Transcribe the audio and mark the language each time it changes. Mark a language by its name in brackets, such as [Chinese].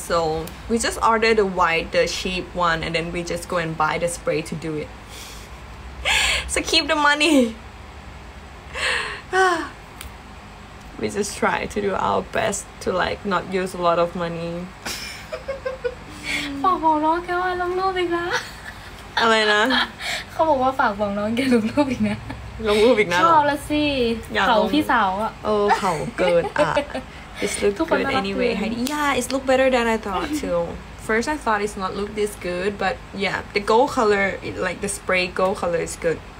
[English] So we just order the white, the cheap one, and then we just go and buy the spray to do it. So keep the money. We just try to do our best to like not use a lot of money. [Thai] ฝากบอกน้องแกว่าลงรูปอีกนะ อะไรนะ เขาบอกว่าฝากบอกน้องแกลงรูปอีกนะ ลงรูปอีกนะ ชอบละสิเขาพี่สาวอ่ะ เออเขาเกินอ่ะ [English] it's look good anyway yeah it's look better than I thought too first I thought it's not look this good but yeah the gold color like the spray gold color is good